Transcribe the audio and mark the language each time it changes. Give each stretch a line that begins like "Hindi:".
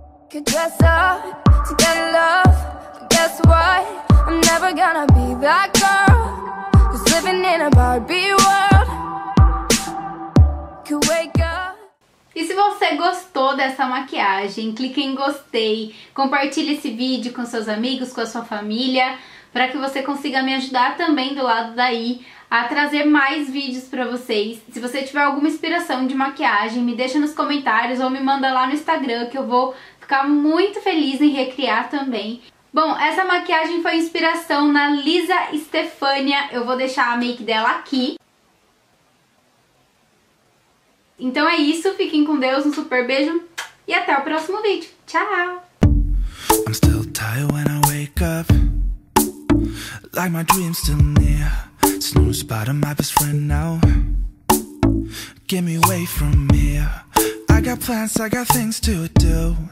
English: could dress up to get love. Guess what? I'm never gonna be that girl who's living in a Barbie world. Could wake up.
Portuguese: E se você gostou dessa maquiagem, clique em gostei, compartilhe esse vídeo com seus amigos, com a sua família, para que você consiga me ajudar também do lado daí a trazer mais vídeos para vocês. Se você tiver alguma inspiração de maquiagem, me deixa nos comentários ou me manda lá no Instagram, que eu vou ficar muito feliz em recriar também. Bom, essa maquiagem foi inspiração na Lisa Estefânia, eu vou deixar a make dela aqui. Então é isso, fiquem com Deus, um super beijo e até o próximo vídeo. Tchau!
English: I'm still tired when I wake up. Like my dream's still near. Snooze spot of my best friend now. Get me away from here. I got plans, I got things to do.